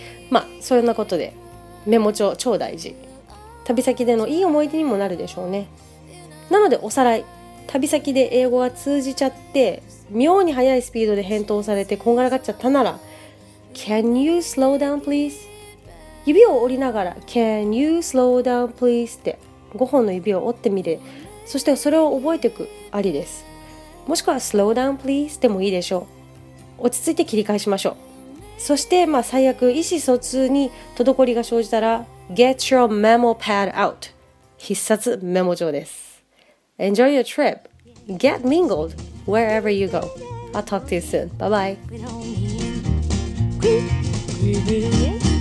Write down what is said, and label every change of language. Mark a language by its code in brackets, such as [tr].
[ja] まあそんなことでメモ帳超大事、旅先でのいい思い出にもなるでしょうね。なのでおさらい、旅先で英語が通じちゃって妙に速いスピードで返答されてこんがらがっちゃったなら [en] Can you slow down please? [ja] 指を折りながら [en] Can you slow down please? [ja] って5本の指を折ってみて、そしてそれを覚えていくありです。もしくは [en] Slow down please [ja] でもいいでしょう。落ち着いて切り返しましょう。そしてまあ最悪意思疎通に滞りが生じたら [en] Get your memo pad out、 [ja] 必殺メモ帳です。 [en] Enjoy your trip. Get mingled wherever you go. I'll talk to you soon. Bye bye.